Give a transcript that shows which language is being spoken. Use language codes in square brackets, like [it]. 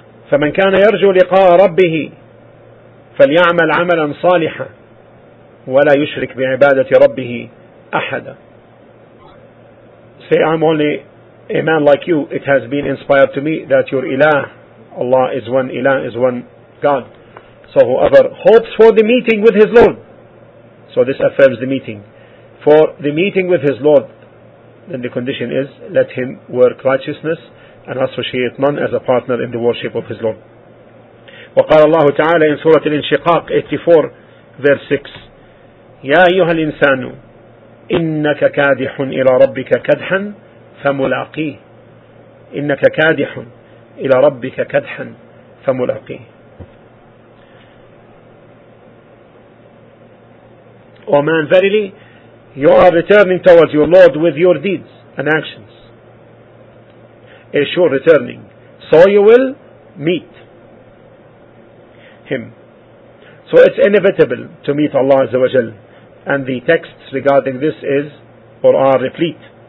[ar] فَمَنْ كَانَ يَرْجُو لِقَاءَ رَبِّهِ فَلْيَعْمَلْ عَمَلًا صَالِحًا وَلَا يُشْرِكْ بِعِبَادَةِ رَبِّهِ أَحَدًا. [en] Say, I'm only a man like you, it has been inspired to me that your ilah, Allah is one ilah, is one God. So whoever hopes for the meeting with his Lord, so this affirms the meeting, for the meeting with his Lord, then the condition is, let him work righteousness and associate none as a partner in the worship of his Lord. [ar] وقال الله تعالى in Surah Al-Inshiqaq 84 verse 6, يا أيها الإنسان إنك كادح إلى ربك كدحا فملاقيه. إنك كادح إلى ربك كدحا فملاقيه. [en] O man, verily, you are returning towards your Lord with your deeds and actions. A sure returning. So you will meet him. So it's inevitable to meet Allah Azza wa Jal. And the texts regarding this is, or are replete.